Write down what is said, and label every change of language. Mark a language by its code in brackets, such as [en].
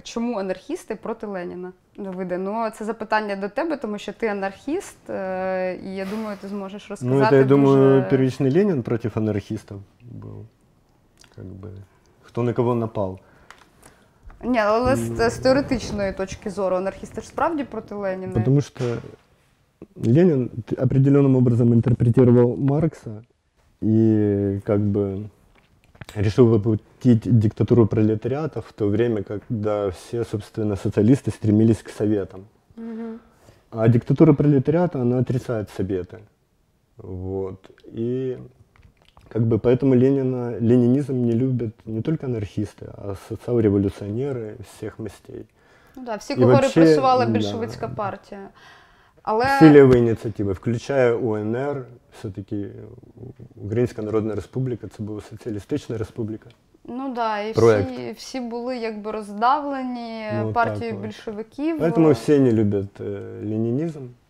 [uk] Чому анархісти проти Леніна? Давиде, ну це запитання до тебе, тому що ти анархіст, і я думаю, ти зможеш розказати. Ну, це, я думаю, первичний Ленін проти анархістів був. [ru] Как бы, [uk] хто на кого напав. Ні, але з теоретичної точки зору анархісти ж справді проти Леніна. Тому що [ru] Ленін определенним образом інтерпретував Маркса, и как бы решил воплотить диктатуру пролетариата в то время, когда все, собственно, социалисты стремились к советам. А диктатура пролетариата, она отрицает советы. Вот. И как бы поэтому ленинизм не любят не только анархисты, а социал-революционеры всех мастей. Ну да, все, кого репрессовала большевистская партия. [uk] Але... Всі ліві ініціативи, включаю УНР, все-таки Українська Народна Республіка, це була соціалістична республіка. Ну так, да, і всі були якби роздавлені ну, партією більшовиків. Тому всі не люблять ленінізм.